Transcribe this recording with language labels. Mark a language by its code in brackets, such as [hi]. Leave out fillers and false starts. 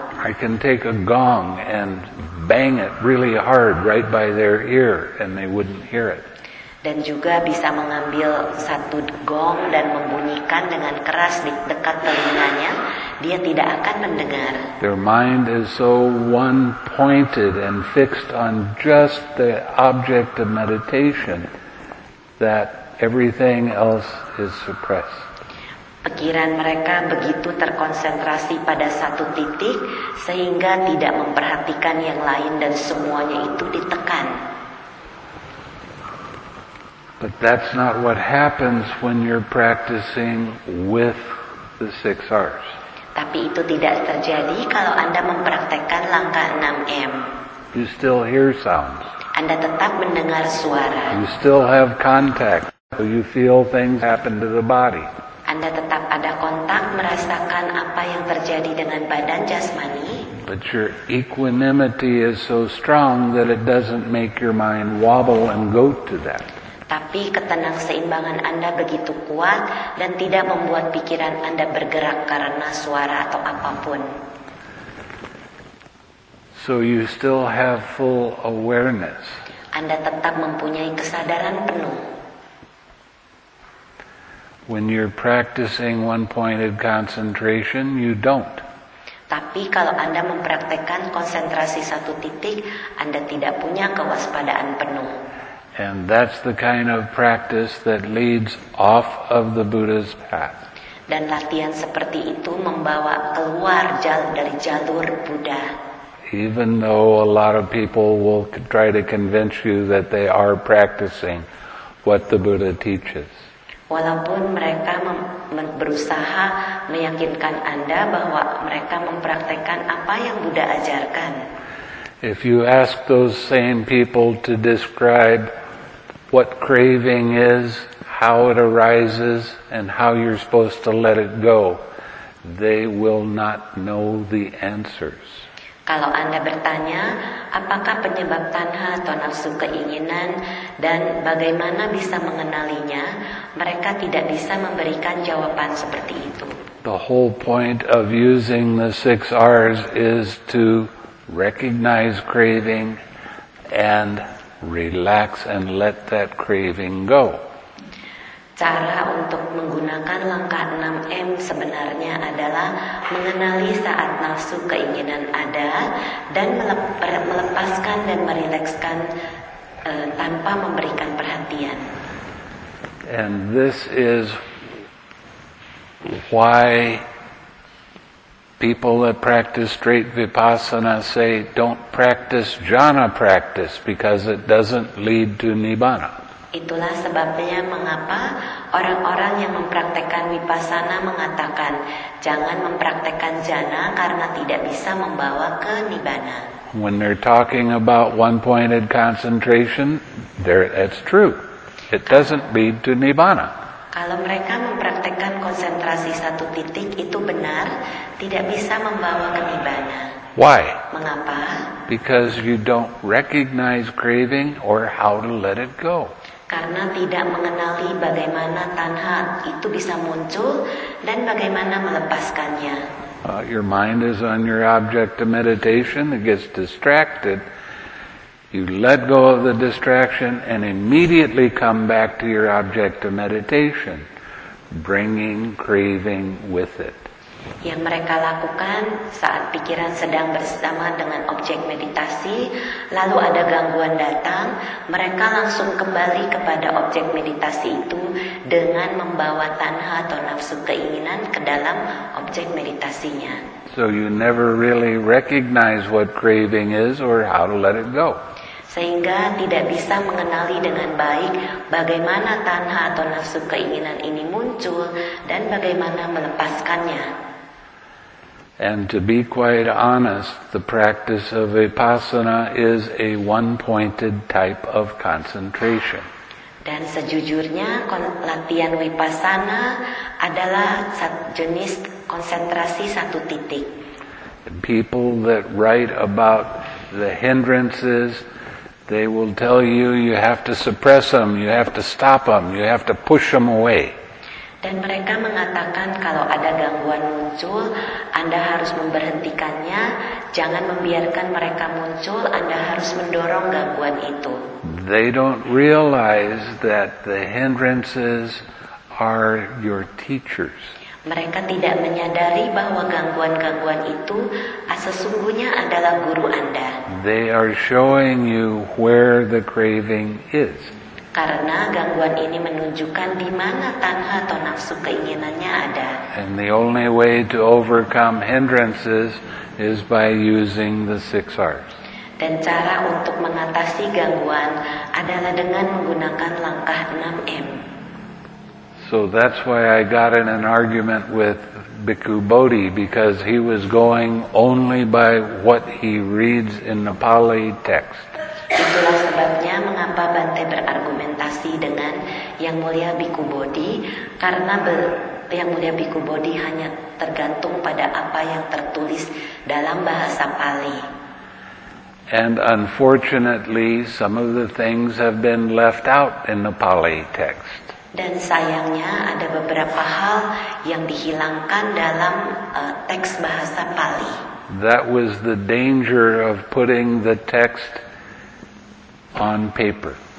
[en] I can take a gong and bang it really hard right by their ear and they wouldn't hear it. [id] Dan juga bisa mengambil satu gong dan membunyikan dengan keras di dekat telinganya, dia tidak akan mendengar. [en] Their mind is so one-pointed and fixed on just the object of meditation that everything else is suppressed. [id] Pikiran mereka begitu terkonsentrasi pada satu titik sehingga tidak memperhatikan yang lain dan semuanya itu ditekan. [en] But that's not what happens when you're practicing with the six R's. [id] Tapi itu tidak terjadi kalau Anda mempraktikkan langkah 6M. [en] You still hear sounds. [id] Anda tetap mendengar suara. [en] You still have contact. So you feel things happen to the body. [id] Anda tetap ada kontak, merasakan apa yang terjadi dengan badan jasmani. [en] But your equanimity is so strong that it doesn't make your mind wobble and go to that. [id] Tapi ketenang seimbangan Anda begitu kuat dan tidak membuat pikiran Anda bergerak karena suara atau apapun. [en] So you still have full awareness. [id] Anda tetap mempunyai kesadaran penuh. [en] When you're practicing one-pointed concentration, you don't. [id] Tapi kalau Anda mempraktikkan konsentrasi satu titik, Anda tidak punya kewaspadaan penuh. [en] And that's the kind of practice that leads off of the Buddha's path. [id] Dan latihan seperti itu membawa keluar dari jalur Buddha. [en] Even though a lot of people will try to convince you that they are practicing what the Buddha teaches. [id] Walaupun mereka berusaha meyakinkan Anda bahwa mereka mempraktikkan apa yang Buddha ajarkan. [en] If you ask those same people to describe what craving is, how it arises, and how you're supposed to let it go, they will not know the answers. [id] Kalau Anda bertanya, apakah penyebab tanha atau nafsu keinginan dan bagaimana bisa mengenalinya, mereka tidak bisa memberikan jawaban seperti itu. [en] The whole point of using the six R's is to recognize craving and relax and let that craving go. [id] Cara untuk menggunakan langkah 6M sebenarnya adalah mengenali saat nafsu keinginan ada dan melepaskan dan merilekskan tanpa memberikan perhatian. [en] And this is why people that practice straight vipassana say don't practice jhana practice because it doesn't lead to nibbana. [id] Itulah sebabnya mengapa orang-orang yang mempraktekkan vipassana mengatakan jangan mempraktekkan jhana karena tidak bisa membawa ke nibbana. [en] When they're talking about one-pointed concentration, that's true. It doesn't lead to nibbana. [id] Kalau mereka mempraktekkan konsentrasi satu titik itu benar, tidak bisa membawa ke nibbana. [en] Why? [id] Mengapa? [en] Because you don't recognize craving or how to let it go. [id] Karena tidak mengenali bagaimana tanha itu bisa muncul dan bagaimana melepaskannya. [en] Your mind is on your object of meditation, it gets distracted. You let go of the distraction and immediately come back to your object of meditation, bringing craving with it. [id] Yang mereka lakukan saat pikiran sedang bersama dengan objek meditasi, lalu ada gangguan datang, mereka langsung kembali kepada objek meditasi itu dengan membawa tanha atau nafsu keinginan ke dalam objek meditasinya. [en] So you never really recognize what craving is or how to let it go. [id] sehingga tidak bisa mengenali dengan baik bagaimana tanha atau nafsu keinginan ini muncul dan bagaimana melepaskannya. [en] And to be quite honest, the practice of vipassana is a one-pointed type of concentration. [id] Dan sejujurnya latihan vipassana adalah jenis konsentrasi satu titik. [en] People that write about the hindrances, they will tell you you have to suppress them, you have to stop them, you have to push them away. [id] Dan mereka mengatakan kalau ada gangguan muncul, Anda harus memberhentikannya, jangan membiarkan mereka muncul, Anda harus mendorong gangguan itu. [en] They don't realize that the hindrances are your teachers. [id] Mereka tidak menyadari bahwa gangguan-gangguan itu sesungguhnya adalah guru Anda. [en] They are showing you where the craving is. [id] Karena gangguan ini menunjukkan di mana tanha atau nafsu keinginannya ada. [en] And the only way to overcome hindrances is by using the six arts. [id] Dan cara untuk mengatasi gangguan adalah dengan menggunakan langkah 6M. [en] So that's why I got in an argument with Bhikkhu Bodhi, because he was going only by what he reads in Nepali text. [id] Itulah sebabnya mengapa Bante berargumentasi dengan Yang Mulia Bhikkhu Bodhi, karena Yang Mulia Bhikkhu Bodhi hanya tergantung pada apa yang tertulis dalam bahasa Pali. [en] And unfortunately, some of the things have been left out in the Pali text. [id] Dan sayangnya ada beberapa hal yang dihilangkan dalam teks bahasa Pali. [en] That was the danger of putting the text on paper.